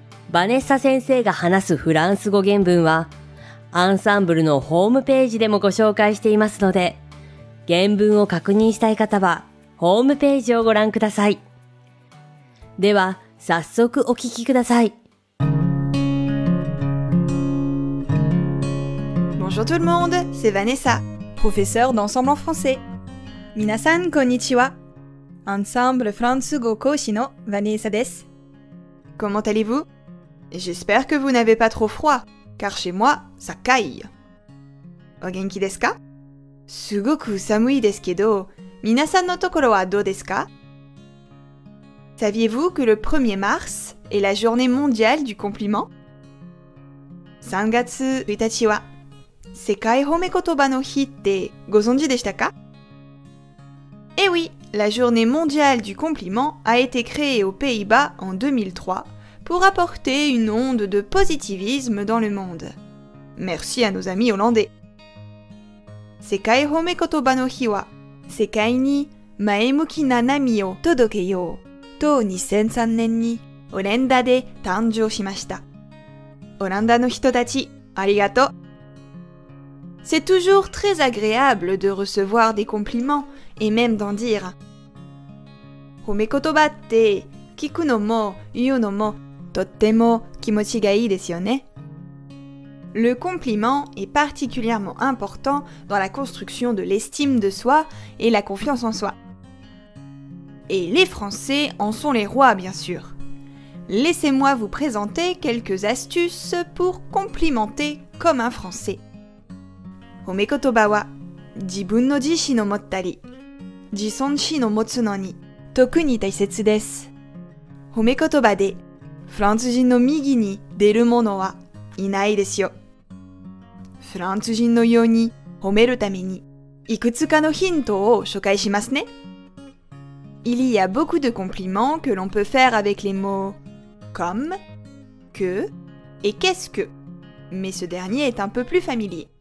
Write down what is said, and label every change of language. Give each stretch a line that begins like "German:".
Japanese: バネッサ先生が話すフランス語原文はアンサンブルのホームページでもご紹介していますので、原文を確認したい方はホームページをご覧ください。では、早速お聞きください。
French: Bonjour tout le monde, c'est Vanessa, professeur d'ensemble en français.
Japanese: 皆さん、こんにちは。 Ensemble France 語講師の Vanessa です。
French: Comment allez-vous? J'espère que vous n'avez pas trop froid, car chez moi, ça caille.
Japanese: お元気ですか? すごく寒いですけど、皆さんのところはどうですか?
French: Saviez-vous que le 1er mars est la journée mondiale du compliment?
Japanese: 3月1日は世界褒め言葉の日ってご存知でしたか?
French: Eh oui, la journée mondiale du compliment a été créée aux Pays-Bas en 2003 pour apporter une onde de positivisme dans le monde. Merci à nos amis hollandais.
Japanese: 世界褒め言葉の日は世界に前向きな波を届けよう。と2003年にオランダで誕生しました。オランダの人たち、ありがとう。
French: C'est toujours très agréable de recevoir des compliments et même d'en dire.
Japanese: 褒め言葉って聞くのも言うのもとっても気持ちがいいですよね。
French: Le compliment est particulièrement important dans la construction de l'estime de soi et la confiance en soi. Et les Français en sont les rois, bien sûr. Laissez-moi vous présenter quelques astuces pour complimenter comme un Français.
Japanese: 褒め言葉は、自分の自信を持ったり、自尊心を持つのに、特に大切です。褒め言葉で、フランス人の右に出る者はいないですよ。フランス人のように褒めるために、いくつかのヒントを紹介しますね。
French: Il y a beaucoup de compliments que l'on peut faire avec les mots « comme »,« que » et « qu'est-ce que ». Mais ce dernier est un peu plus familier.